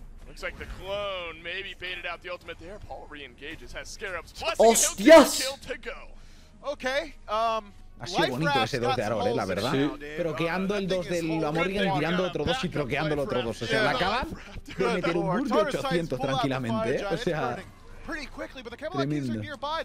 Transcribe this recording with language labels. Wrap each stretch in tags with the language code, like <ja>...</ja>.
<en>Looks like the clone maybe baited out the ultimate there. Paul reengages, has scarabs.</en> <es>Hostias.</es> <en>Okay.</en> <es>Ha sido bonito ese 2 de Aror, la verdad. Proqueando el 2 del Amorrigan, tirando otro 2 y proqueando el otro 2. O sea, le acaban de meter un burst de 800 tranquilamente, ¿eh? O sea.</es> <en>Pretty quickly, but the Camelot Kings are nearby.</en>